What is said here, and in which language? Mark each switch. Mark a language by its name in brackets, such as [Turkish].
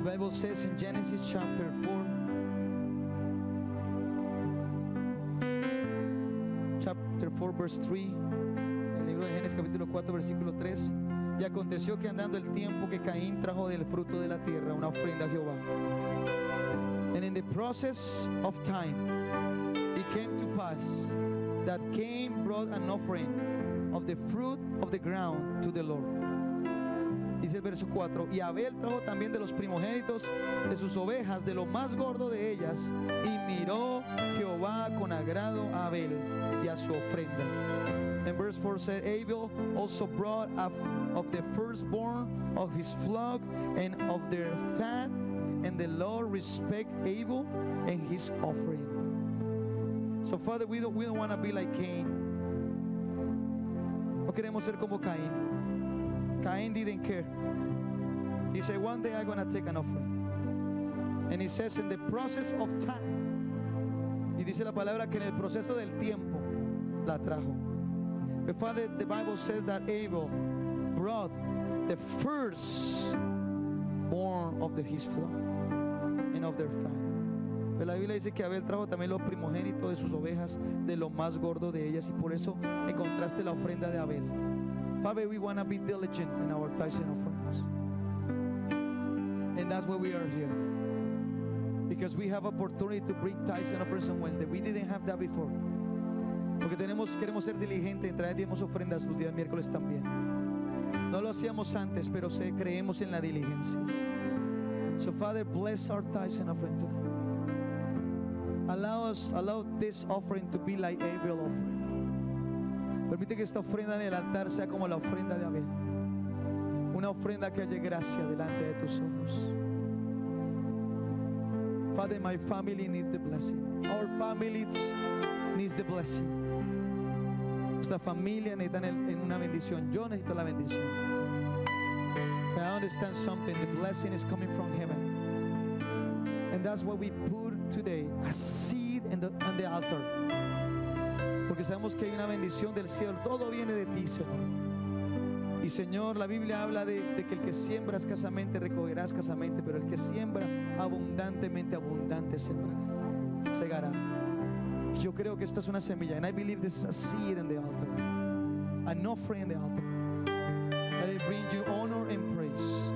[English] Says in Genesis chapter 4, verse 3, [Spanish] en el libro de Génesis capítulo 4, versículo 3, y aconteció que andando el tiempo que Caín trajo del fruto de la tierra una ofrenda a Jehová. [English] And in the process of time, it came to pass that Cain brought an offering of the fruit of the ground to the Lord. [Spanish] Dice el verso 4, y Abel trajo también de los primogénitos de sus ovejas, de lo más gordo de ellas, y miró Jehová con agrado a Abel y a su ofrenda. [English] En verse 4 said, Abel also brought of the firstborn of his flock and of their fat, and the Lord respect Abel and his offering. So Father, we don't want to be like Cain. [Spanish] No queremos ser como Caín. [English] Cain didn't care. He said, one day I'm going to take an offering. And he says, in the process of time. [Spanish] Y dice la palabra que en el proceso del tiempo la trajo. [English] Before the Bible says that Abel brought the first born of his flock and of their fat. [Spanish] Pero la Biblia dice que Abel trajo también lo primogénito de sus ovejas, de lo más gordo de ellas. Y por eso encontraste la ofrenda de Abel. [English] Father, we want to be diligent in our tithing offerings. And that's why we are here. Because we have opportunity to bring tithing offerings on Wednesday. We didn't have that before. [Spanish] Porque queremos ser diligentes en traer diezmos ofrendas los días miércoles también. No lo hacíamos antes, pero creemos en la diligencia. [English] So Father, bless our tithing offering today. Allow this offering to be like Abel's offering. [Spanish] Permite que esta ofrenda en el altar sea como la ofrenda de Abel. Una ofrenda que halle gracia delante de tus ojos. [English] Father, my family needs the blessing. Our family needs the blessing. [Spanish] Nuestra familia necesita en una bendición. Yo necesito la bendición. [English] I understand something. The blessing is coming from heaven. And that's what we put today, a seed on the altar. [Spanish] Porque sabemos que hay una bendición del cielo. Todo viene de ti, Señor. Y Señor, la Biblia habla de que el que siembra escasamente recogerá escasamente, pero el que siembra abundantemente, abundante sembrará, segará. Yo creo que esto es una semilla. [English] And I believe this is a seed in the altar, an offering in the altar, that it brings you honor and praise.